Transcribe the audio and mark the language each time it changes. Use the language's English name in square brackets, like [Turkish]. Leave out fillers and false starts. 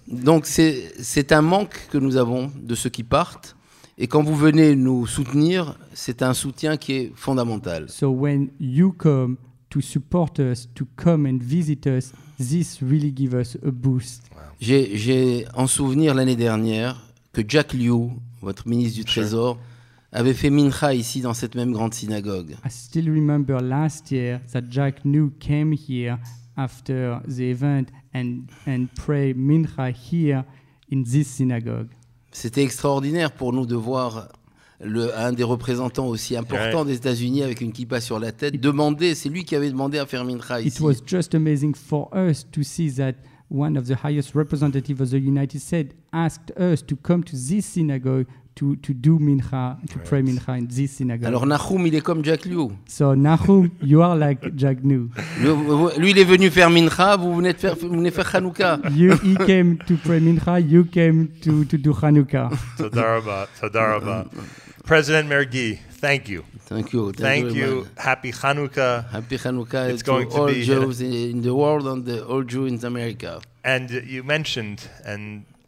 [French] Donc c'est un manque que nous avons de ceux qui partent. Et quand vous venez nous soutenir, c'est un soutien qui est fondamental. [English] So when you come to support us, to come and visit us, this really gives us a boost. Wow. [French] J'ai en souvenir l'année dernière que Jack Liu, votre ministre du Trésor, avait fait mincha ici dans cette même grande synagogue. [English] I still remember last year that Jack Liu came here after the event and prayed mincha here in this synagogue. [French] C'était extraordinaire pour nous de voir un des représentants aussi importants des États-Unis avec une kippa sur la tête demander, c'est lui qui avait demandé à faire mincha ici. [English] It was just amazing for us to see that one of the highest representatives of the United States asked us to come to this synagogue to do mincha, to pray mincha in this synagogue. [French] Alors Nachum, il est comme Jack Liu. [English] So Nachum, you are like Jack Liu. [French] Lui, il est venu faire mincha, vous venez faire Hanouka. [English] He came to pray mincha, you came to do Hanouka. Tadaraba. President Mergi, thank you. Thank you. Thank you. Man. Happy Hanukkah. Happy Hanukkah it's to going all to be Jews in the world and all Jews in America. And you mentioned, and